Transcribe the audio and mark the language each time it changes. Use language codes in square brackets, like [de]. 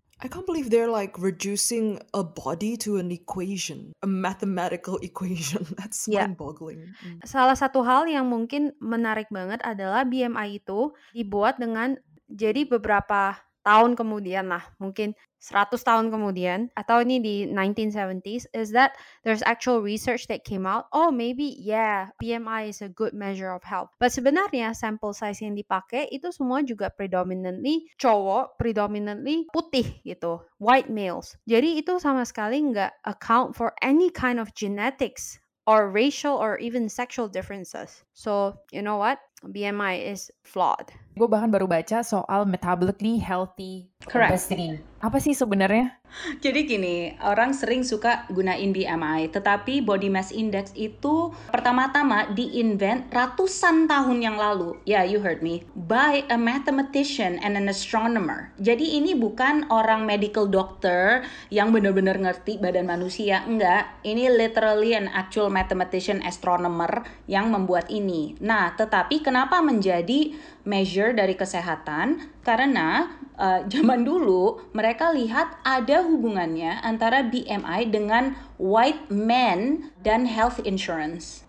[en] I can't believe they're like reducing a body to an equation, a mathematical equation. That's mind-boggling. [id] Salah satu hal yang mungkin menarik banget adalah BMI itu dibuat dengan jadi beberapa tahun kemudian lah, mungkin 100 tahun kemudian, atau ini di 1970s, [en] is that there's actual research that came out, oh maybe yeah, BMI is a good measure of health. [id] But sebenarnya sample size yang dipakai itu semua juga predominantly cowok, predominantly putih gitu, [en] white males. [id] Jadi itu sama sekali nggak [en] account for any kind of genetics or racial or even sexual differences. So, you know what? BMI is flawed. [id] Gue bahkan baru baca soal metabolically healthy obesity. Apa sih sebenarnya? Jadi gini, orang sering suka gunain BMI, tetapi body mass index itu pertama-tama diinvent ratusan tahun yang lalu. [en] Yeah, you heard me. By a mathematician and an astronomer. [id] Jadi ini bukan orang medical doctor yang benar-benar ngerti badan manusia. Enggak, ini [en] literally an actual mathematician astronomer [id] yang membuat ini. Nah, tetapi kenapa menjadi measure dari kesehatan? Karena zaman dulu mereka lihat ada hubungannya antara BMI dengan white men dan health insurance.